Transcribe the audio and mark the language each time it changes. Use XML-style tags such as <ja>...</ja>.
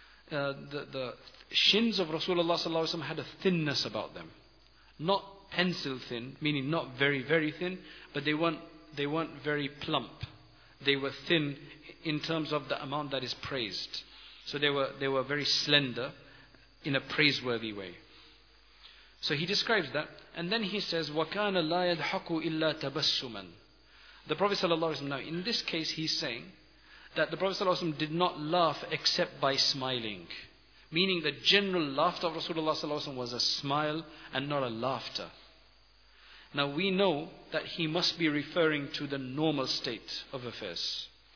<en>The shins of Rasulullah sallallahu alayhi wa sallam had a thinness about them. Not pencil thin, meaning not very, very thin, but they weren't very plump. they were thin in terms of the amount that is praised. So they were very slender in a praiseworthy way. So he describes that. And then he says,</en> <ar>وَكَانَ لَا يَدْحَقُ إِلَّا تَبَسُّمًا.</ar> <en>The Prophet ﷺ, now in this case he's saying that the Prophet ﷺ did not laugh except by smiling. Meaning the general laughter of Rasulullah ﷺ was a smile and not a laughter. Now we know that he must be referring to the normal state of affairs.</en>